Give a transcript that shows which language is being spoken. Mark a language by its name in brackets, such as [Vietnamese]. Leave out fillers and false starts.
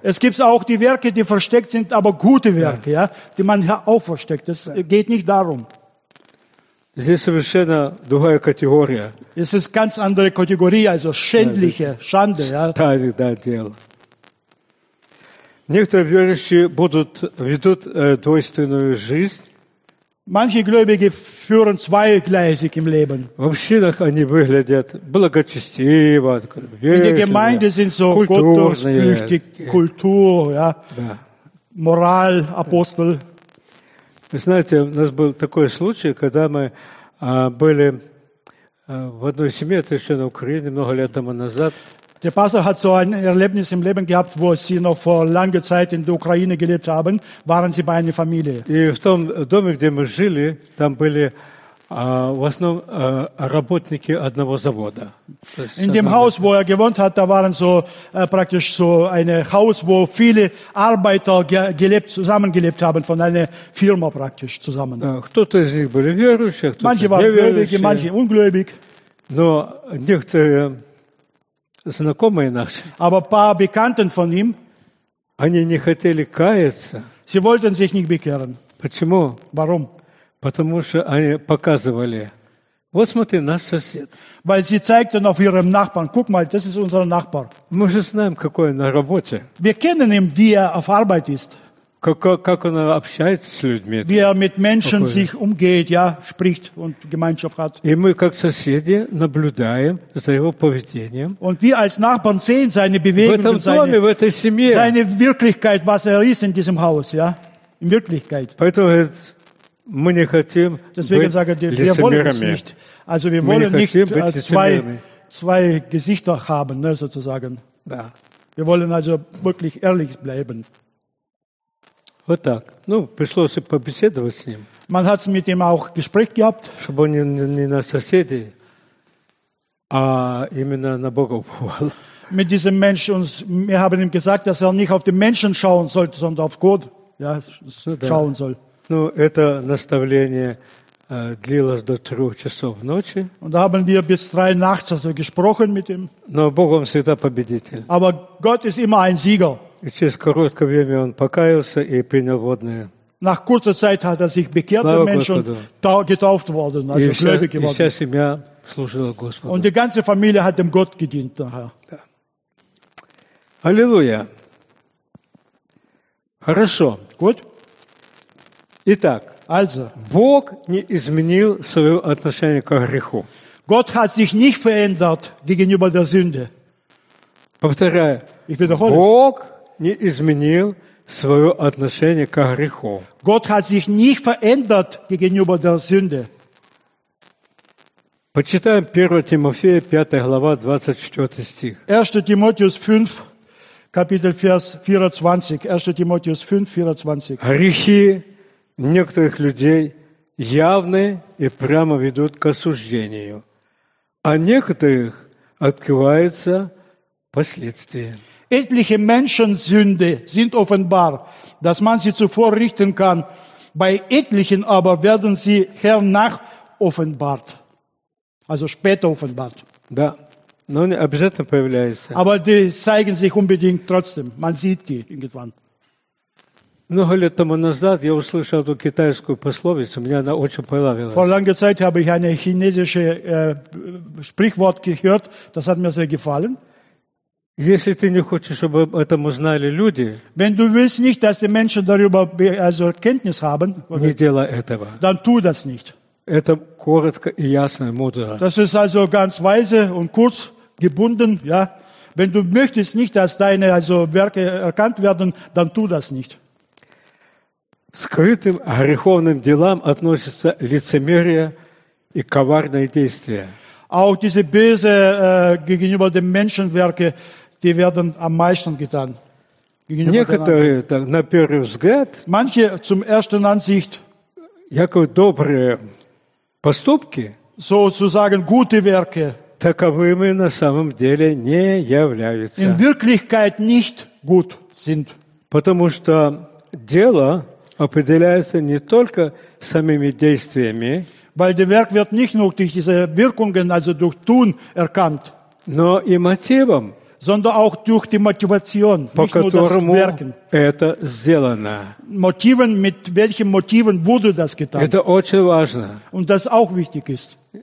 [German] Es gibt auch die Werke, die versteckt sind, aber gute Werke, ja, die man auch versteckt. Es geht nicht darum. [Russian] Здесь совершенно другая категория. [German] Es ist ganz andere Kategorie, also schändliche, Schande, ja. [Russian] Тайных дел. Некоторые верующие ведут двойственную жизнь. [German] Manche Gläubige führen zweigleisig im Leben. [Russian] Они выглядят благочестиво, [German] в Gemeinde sind so gottesfürchtig, Kultur, ja, Moral, Apostel. [Russian] Вы знаете, у нас был такой случай, когда мы были в одной семье, это еще на Украине, много лет тому назад. [German] Der Pastor hat so ein Erlebnis im Leben gehabt, wo sie noch vor langer Zeit in der Ukraine gelebt haben, waren sie bei einer Familie. [Russian] И в том доме, где мы жили, там были в основном работники одного завода. [German] In dem Haus, wo er gewohnt hat, da waren so praktisch so ein Haus, wo viele Arbeiter zusammengelebt haben, von einer Firma praktisch zusammen. [Russian] Кто-то из них были верующие, кто-то [German] Manche waren gläubige, manche ungläubig. [Russian] Но некоторые знакомые наши. [German] Aber paar Bekannten von ihm, [Russian] они не хотели каяться. [German] Sie wollten sich nicht bekehren. [Russian] Почему? [German] Warum? [Russian] Потому что они показывали. Вот смотри, наш сосед. [German] Weil sie zeigten auf ihrem Nachbarn. Guck mal, das ist unser Nachbar. [Russian] Мы же знаем, какой он на работе. [German] Wir kennen ihn, wie er auf Arbeit ist. [Russian] Как он общается с людьми. [German] Wie er mit Menschen [Russian] какой? [German] Sich umgeht, ja, spricht und Gemeinschaft hat. [Russian] И мы как соседи наблюдаем за его поведением. [German] Und wir als Nachbarn sehen seine Bewegungen, [Russian] в этой семье. [German] Seine Wirklichkeit, was er ist in diesem Haus, ja, in Wirklichkeit. [Russian] Поэтому говорит, мы не хотим [German] Deswegen [Russian] быть [German] sagen, wir wollen es nicht. Also wir wollen nicht zwei Gesichter haben, ne, sozusagen. [Russian] Да. [German] Wir wollen also wirklich ehrlich bleiben. [Russian] Вот так. Ну, пришлось и побеседовать с ним. [German] Man hat's mit ihm auch Gespräch gehabt. [Russian] Чтобы он не на соседей, а именно на Бога уповал. [German] Mit diesem Menschen, wir haben ihm gesagt, dass er nicht auf den Menschen schauen sollte, sondern auf Gott, ja, schauen soll. [Russian] Ну, это наставление длилось до 3 часов ночи. [German] Und da haben wir bis 3 nachts also gesprochen mit ihm. [Russian] Но Бог он всегда победитель. [German] Aber Gott ist immer ein Sieger. [Russian] И через короткое время он покаялся и принял водное. [German] Nach kurzer Zeit hat er sich bekehrt, der Mensch, und getauft worden, also gläubig geworden. [Russian] И вся семья служила Господу. [German] Und die ganze Familie hat dem Gott gedient nachher. [Russian] Аллилуйя. Хорошо. [German] Gut. [Russian] Итак, [German] also, [Russian] Бог не изменил свое отношение к греху. [German] Gott hat sich nicht verändert gegenüber der Sünde. [Russian] Повторяю. [German] Ich wiederhole. [Russian] Бог не изменил свое отношение к греху. [German] Gott hat sich nicht verändert gegenüber der Sünde. [Russian] Почитаем 1 Тимофея, 5 глава, 24 стих. [German] 1 Тимотеус 5, капитель, vers 24. 1 Тимотеус 5, 24. [Russian] Грехи некоторых людей явны и прямо ведут к осуждению, а некоторых открываются последствия. [German] Etliche Menschensünde sind offenbar, dass man sie zuvor richten kann. Bei etlichen aber werden sie hernach offenbart. Also später offenbart. [Russian] Да. Но они обязательно появляются. [German] Aber die zeigen sich unbedingt trotzdem. Man sieht die irgendwann. [Russian] Много лет тому назад я услышал эту китайскую пословицу. Мне она очень понравилась. [German] Vor langer Zeit habe ich eine chinesische Sprichwort gehört. Das hat mir sehr gefallen. [Russian] Если ты не хочешь, чтобы об этом узнали люди, [German] wenn du willst nicht, dass die Menschen darüber also Kenntnis haben, [Russian] не делай этого. [German] Dann tu das nicht. [Russian] Это коротко и ясно, мудро. [German] Das ist also ganz weise und kurz gebunden, ja. Wenn du möchtest nicht, dass deine also Werke erkannt werden, dann tu das nicht. [Russian] скрытым греховным делам относятся лицемерие и коварные действия. [German] Auch diese böse gegenüber den Menschenwerke, die werden am meisten getan. [Russian] Некоторые, так, на первый взгляд, [German] manche zum ersten Ansicht, [Russian] якобы добрые поступки, [German] sozusagen gute Werke, [Russian] таковыми на самом деле не являются. [German] In Wirklichkeit nicht gut sind. [Russian] Потому что дело определяется не только самими действиями, [German] weil der Werk wird nicht nur durch diese Wirkungen, also durch Tun erkannt, [Russian] но и мотивом, [German] sondern auch durch die Motivation, nicht nur das Werken. [Russian] Это сделано. [German] Мотивен, mit welchen Мотивен wurde das getan? [Russian] Это очень важно. [German] Und das auch wichtig ist.